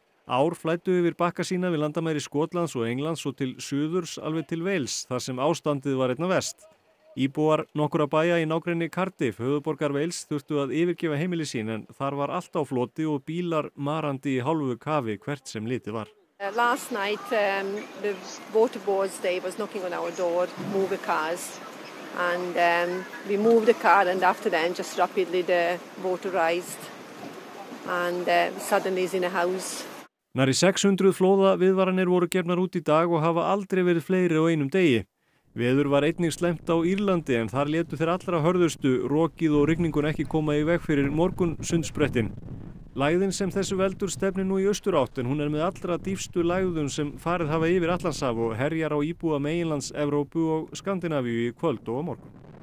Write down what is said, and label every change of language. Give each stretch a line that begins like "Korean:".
Icelandic: Ár flættu yfir bakka sína við landamæri Skotlands og Englands og til suðurs alveg til Wales þar sem ástandið var einna verst. Íbúar nokkurra bæja í nágrenni Cardiff, höfuðborgar Wales, þurftu að yfirgefa heimili sín en þar var allt á floti og bílar marandi í hálfu kafi hvert sem litið var.
English: Last night the water boards they was knocking on our door, move the cars. And we moved the car and after then just rapidly the water rised and suddenly is in a house.
Icelandic: Nærri 600 flóða viðvaranir voru gefnar út í dag og hafa aldrei verið fleiri á einum degi. Veður var einnig slæmt á Írlandi en þar létu þeir allra hörðustu rokið og rigningun ekki koma í veg fyrir morgun sundsprettin. Lægðin sem þessu veldur stefnir nú í austurátt en hún með allra dýfstu lægðun sem farið hafa yfir Atlantshaf og herjar á íbúa meginlands Evrópu og Skandinavíu í kvöld og á morgun.